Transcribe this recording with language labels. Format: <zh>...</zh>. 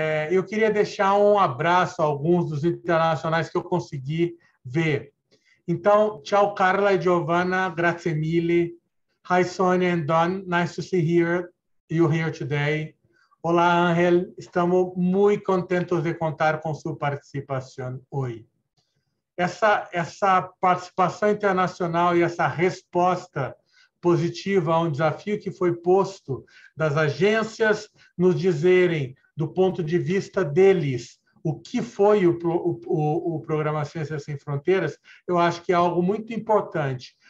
<pt>Eu queria deixar um abraço a alguns dos internacionais que eu consegui ver. Então, tchau, Carla e Giovanna,</pt> <it>grazie mille.</it> <en>Hi, Sonia and Don, nice to see you here today.</en> <pt>Olá, Angel, estamos muito contentos de contar com sua participação hoje. Essa participação internacional e essa resposta positiva a um desafio que foi posto das agências nos dizerem, do ponto de vista deles, o que foi o programa Ciências Sem Fronteiras, eu acho que é algo muito importante.</pt>